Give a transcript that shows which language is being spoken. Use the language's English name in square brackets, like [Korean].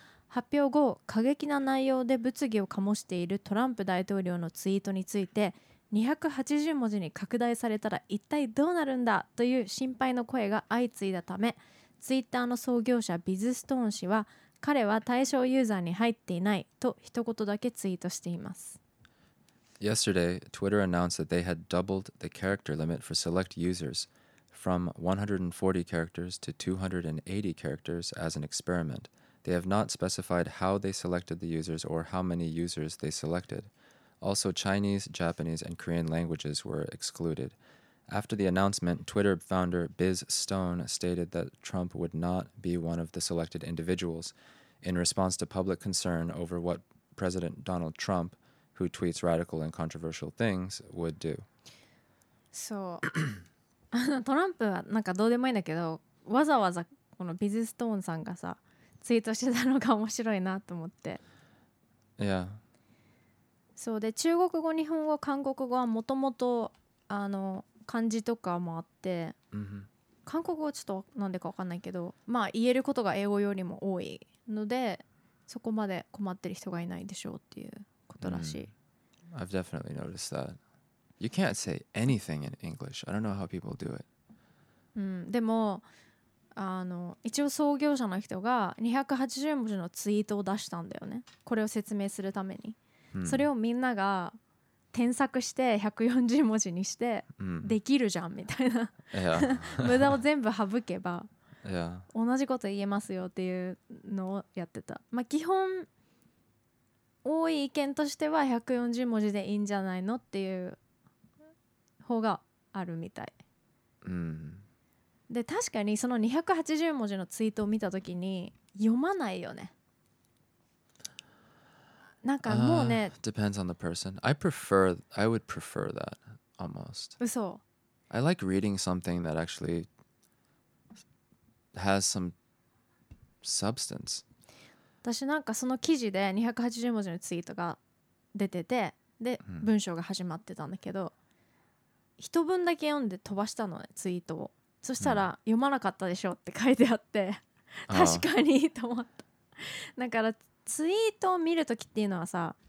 [Japanese] 発表後、過激な内容で物議を醸しているトランプ大統領のツイートについて、280文字に拡大されたら一体どうなるんだという心配の声が相次いだため、ツイッターの創業者ビズストーン氏は、彼は対象ユーザーに入っていないと一言だけツイートしています。 [English] Yesterday, Twitter announced that they had doubled the character limit for select users from 140 characters to 280 characters as an experiment. They have not specified how they selected the users or how many users they selected. Also, Chinese, Japanese, and Korean languages were excluded. After the announcement, Twitter founder Biz Stone stated that Trump would not be one of the selected individuals in response to public concern over what President Donald Trump, who tweets radical and controversial things, would do. [Japanese] So, トランプはなんかどうでもいいんだけど、わざわざこのビズストーンさんがさ、ツイートしてたのが面白いなと思って。いや。そうで、中国語、日本語、韓国語はもともとあの漢字とかもあって、 mm-hmm. 韓国語はちょっとなんでか分かんないけど、まあ言えることが英語よりも多いので、そこまで困ってる人がいないでしょうっていうことらしい。 [English] Mm-hmm. I've definitely noticed that. You can't say anything in English. I don't know how people do it. [Japanese] うん、でも。あの一応創業者の人が280文字のツイートを出したんだよね、これを説明するために、 hmm. それをみんなが添削して140文字にしてできるじゃん、hmm. みたいな、 [English] yeah. [Japanese] 無駄を全部省けば、 [English] yeah. [Japanese] 同じこと言えますよっていうのをやってた。まあ基本多い意見としては140文字でいいんじゃないのっていう方があるみたい。うん、hmm. で確かにその280文字のツイートを見たときに読まないよね。なんかもうね。 [English] Depends on the person. I would prefer that almost. [Japanese] 嘘。 [English] I like reading something that actually has some substance. [Japanese] 私なんかその記事で280文字のツイートが出てて、で、hmm. 文章が始まってたんだけど、一文だけ読んで飛ばしたのね、ツイートを。そしたら読まなかったでしょって書いてあって確かにと思った。だからツイートを見るときっていうのはさ、